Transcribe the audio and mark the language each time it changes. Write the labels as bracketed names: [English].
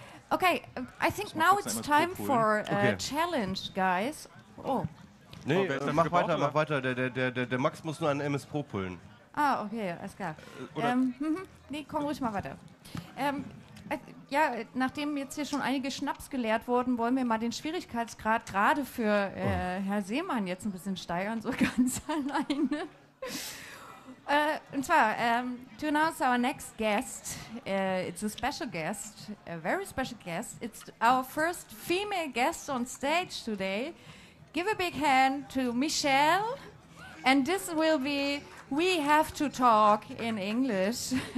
[English] Okay, I think now it's time for a challenge, guys. Oh. [German] Nee, mach weiter. Der Max muss nur einen MS Pro pullen. Ah, okay, alles klar. Nee, komm ruhig mal weiter. Ja, nachdem jetzt hier schon einige Schnaps geleert wurden, wollen wir mal den Schwierigkeitsgrad gerade für Herr Seemann jetzt ein bisschen steigern, so ganz alleine. Und zwar, [English] to announce our next guest, it's a special guest, a very special guest. It's our first female guest on stage today. Give a big hand to Michelle, and this will be... We have to talk in English.